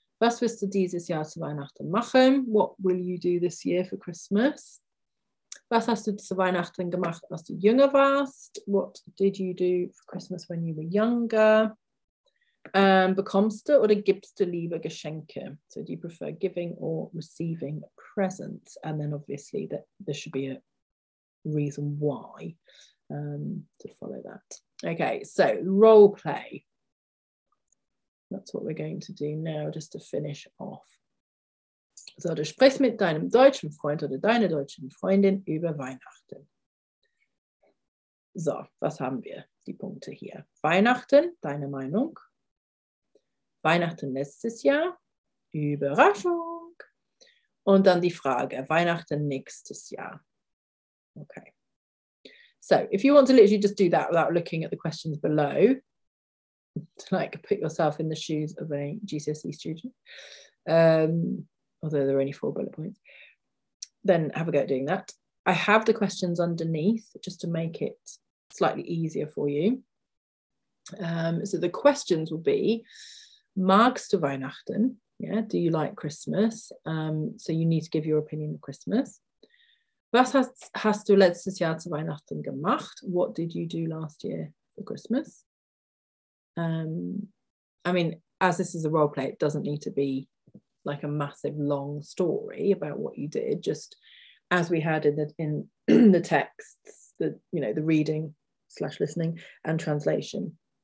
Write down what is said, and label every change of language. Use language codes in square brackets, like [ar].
[de] Was wirst du dieses Jahr zu Weihnachten machen? [en] What will you do this year for Christmas? [de] Was hast du zu Weihnachten gemacht, als du jünger warst? [en] What did you do for Christmas when you were younger? [de] Bekommst du oder gibst du lieber Geschenke? [en] So do you prefer giving or receiving presents? And then obviously that there should be a reason why to follow that. Okay, so role play. That's what we're going to do now, just to finish off. [de] So du sprichst mit deinem deutschen Freund oder deiner deutschen Freundin über Weihnachten. So, was haben wir? Die Punkte hier. Weihnachten, deine Meinung. Weihnachten letztes Jahr. Überraschung. Und dann die Frage, Weihnachten nächstes Jahr. Okay. [en] So, if you want to literally just do that without looking at the questions below, to like put yourself in the shoes of a GCSE student, although there are only four bullet points, then have a go at doing that. I have the questions underneath just to make it slightly easier for you. So the questions will be, [de] magst du Weihnachten? [en] Yeah, do you like Christmas? So you need to give your opinion of Christmas. [de] Was hast du letztes Jahr zu Weihnachten gemacht? [en] What did you do last year for Christmas? I mean, as this is a role play, it doesn't need to be like a massive long story about what you did, just as we had in the texts, the, you know, the reading / listening and translation.